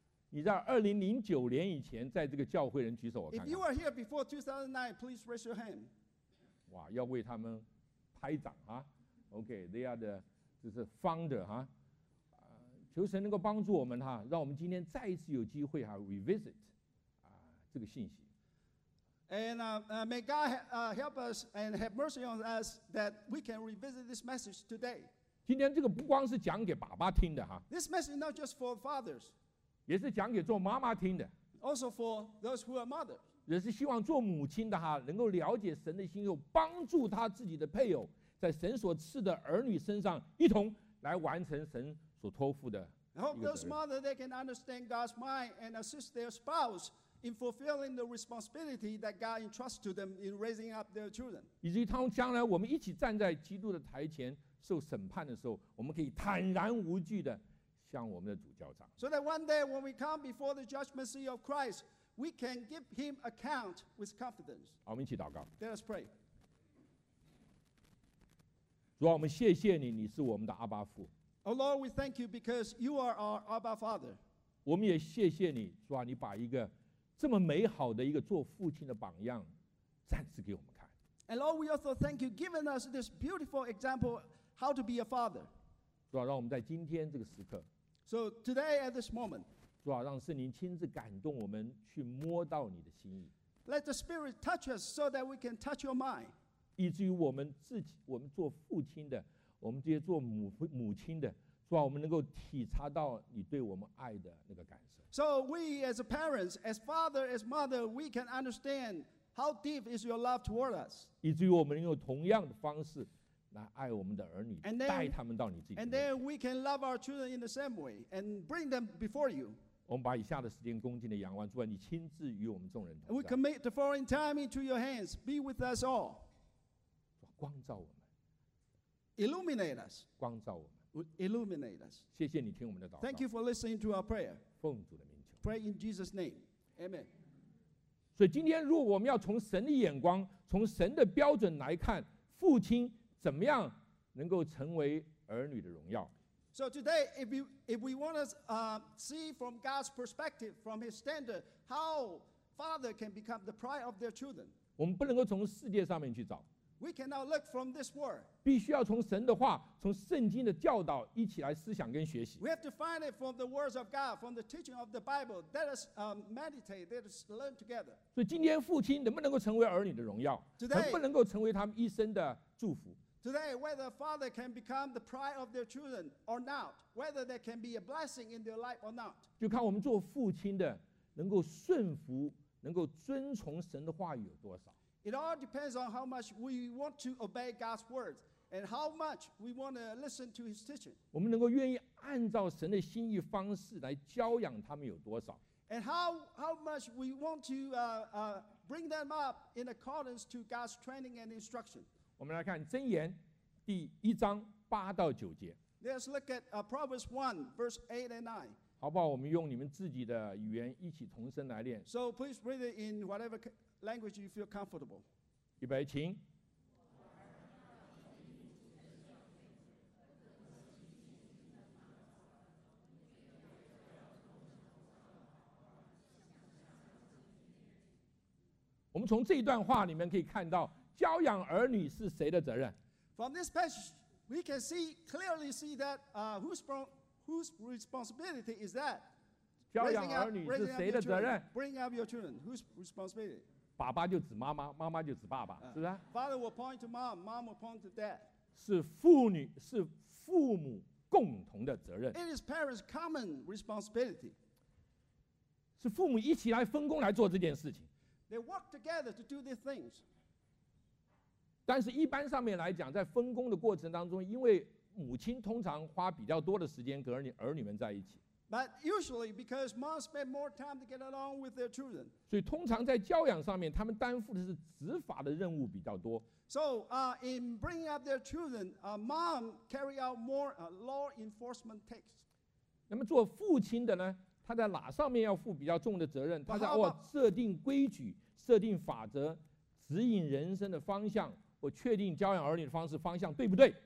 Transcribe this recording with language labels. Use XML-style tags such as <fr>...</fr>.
<zh>你在2009年以前在这个教会人举手，我看看。</zh> <en>If you were here before 2009, please raise your hand.</en> <zh>哇，要为他们拍掌哈。</zh> <en>Okay, they are the just founder, huh?</en> <zh>求神能够帮助我们哈，让我们今天再一次有机会哈 revisit 这个信息。</zh> <en>And may God help us and have mercy on us that we can revisit this message today.</en> <zh>今天这个不光是讲给爸爸听的哈。</zh> <en>This message is not just for fathers.</en> <zh>也是讲给做妈妈听的。</zh> <en>Also for those who are mothers.</en> <zh>也是希望做母亲的哈，能够了解神的心意，帮助他自己的配偶。在神所赐的儿女身上一同来完成神所托付的一个责任。</zh> <en>I hope those mothers they can understand God's mind and assist their spouse in fulfilling the responsibility that God entrusts to them in raising up their children.</en> <zh>以至于他们将来我们一起站在基督的台前受审判的时候，我们可以坦然无惧的向我们的主交账。</zh> <en>So that one day when we come before the judgment seat of Christ, we can give Him account with confidence.</en> <zh>好，我们一起祷告。</zh> <en>Let us pray.</en> <zh>主啊，我们谢谢你，你是我们的阿爸父。</zh> <en>Oh Lord, we thank you because you are our Abba Father.</en> <zh>我们也谢谢你，主啊，你把一个这么美好的一个做父亲的榜样展示给我们看。</zh> <en>And Lord, we also thank you, giving us this beautiful example how to be a father.</en> <zh>主啊，让我们在今天这个时刻。</zh> <en>So today at this moment.</en> <zh>主啊，让圣灵亲自感动我们，去摸到你的心意。</zh> <en>Let the Spirit touch us so that we can touch your mind.</en> <zh>以至于我们自己，我们做父亲的，我们这些做 母亲的，主啊，我们能够体察到你对我们爱的那个感受。</zh> <en>So we as parents, as father, as mother, we can understand how deep is your love toward us.</en> <zh>以至于我们能够同样的方式来爱我们的儿女，</zh> <en>and then,</en> <zh>带他们到你自己。</zh> <en>And then we can love our children in the same way and bring them before you.</en> <zh>我们把以下的时间恭敬的仰望，主啊，你亲自与我们众人同在。</zh> <en>We commit the following time into your hands. Be with us all.</en> <zh>光照我们。</zh> <en>Illuminate us.</en> <zh>光照我们。</zh> <en>Illuminate us.</en> <zh>谢谢你听我们的祷告。</zh> <en>Thank you for listening to our prayer.</en> <zh>奉主的名求。</zh> <en>Pray in Jesus' name. Amen.</en> <zh>所以今天如果我们要从神的眼光，从神的标准来看，父亲怎么样能够成为儿女的荣耀。</zh> <en>So today, if we want to see from God's perspective, from his standard, how father can become the pride of their children.</en> <zh>我们不能够从世界上面去找。</zh> <en>We cannot look from this world.</en> <zh>必须要从神的话，从圣经的教导一起来思想跟学习。</zh> <en>We have to find it from the words of God, from the teaching of the Bible. Let us meditate. Let us learn together.</en> <zh>所以今天父亲能不能够成为儿女的荣耀？</zh> <en>Today,</en> <zh>能不能够成为他们一生的祝福？</zh> <en>Today, whether a father can become the pride of their children or not, whether they can be a blessing in their life or not.</en> <zh>就看我们做父亲的能够顺服，能够遵从神的话语有多少。</zh> <en>It all depends on how much we want to obey God's words and how much we want to listen to his teaching.</en> <zh>我们能够愿意按照神的心意方式来教养他们有多少。</zh> <en>And how much we want to bring them up in accordance to God's training and instruction.</en> <zh>我们来看箴言第一章八到九节。</zh> <en>Let's look at Proverbs 1, verse 8 and 9.</en> <zh>好不好？我们用你们自己的语言一起同声来念。</zh> <en>So please read it in whatever language you feel comfortable.</en> <zh>预备，请。我们从这一段话里面可以看到，教养儿女是谁的责任</zh> <en>？From this passage, we can see clearly see that whose responsibility is that?</en> <zh>教养儿女是谁的责任</zh> <en>？Bring up your children. Whose responsibility?</en> <zh>爸爸就指妈妈，妈妈就指爸爸，是不是</zh> <en>？Father will point to mom, mom will point to dad.</en> <zh>是父母共同的责任。</zh> <en>It is parents' common responsibility.</en> <zh>是父母一起来分工来做这件事情。</zh> <en>They work together to do these things.</en> <zh>但是一般上面来讲，在分工的过程当中，因为母亲通常花比较多的时间跟儿女们在一起。</zh> <en>But usually because mom spend more time to get along with their children.</en> <zh>所以通常在教养上面，他们担负的是执法的任务比较多。</zh> <en>So in bringing up their children, mom carry out more law enforcement tasks.</en> <zh>那么做父亲的呢，他在哪上面要负比较重的责任？他在设定规矩、设定法则、指引人生的方向，或确定教养儿女的方向对不对？</zh>